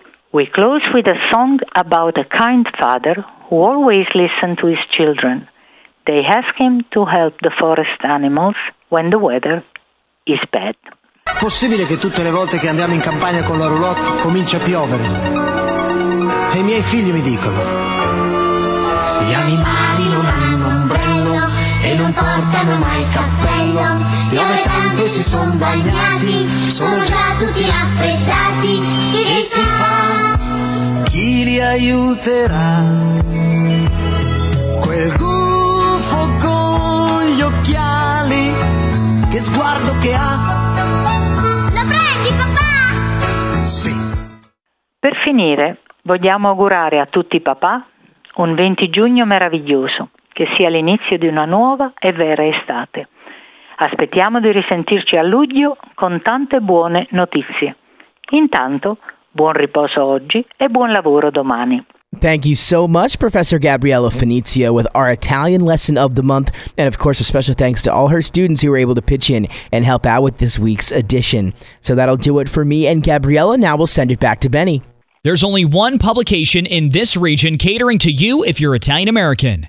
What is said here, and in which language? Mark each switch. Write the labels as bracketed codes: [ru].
[en] We close with a song about a kind father who always listened to his children. They ask him to help the forest animals when the weather is bad. [it] Possibile che tutte le volte che andiamo in campagna con la roulotte comincia a piovere? E i miei figli mi dicono: gli animali non hanno ombrello e non portano mai cappello. Piove tanto e si sono bagnati, sono già tutti raffreddati. Che si fa? Chi li aiuterà? Quel gufo con gli occhiali, che sguardo che ha? Lo prendi, papà? Sì. Per finire, vogliamo augurare a tutti i papà un 20 giugno meraviglioso, che sia l'inizio di una nuova e vera estate. Aspettiamo di risentirci a luglio con tante buone notizie. Intanto, buon riposo oggi e buon lavoro domani. [en] Thank you so much, Professor Gabriella Fenizio, with our Italian lesson of the month. And of course, a special thanks to all her students who were able to pitch in and help out with this week's edition. So that'll do it for me and Gabriella. Now we'll send it back to Benny. There's only one publication in this region catering to you if you're Italian-American.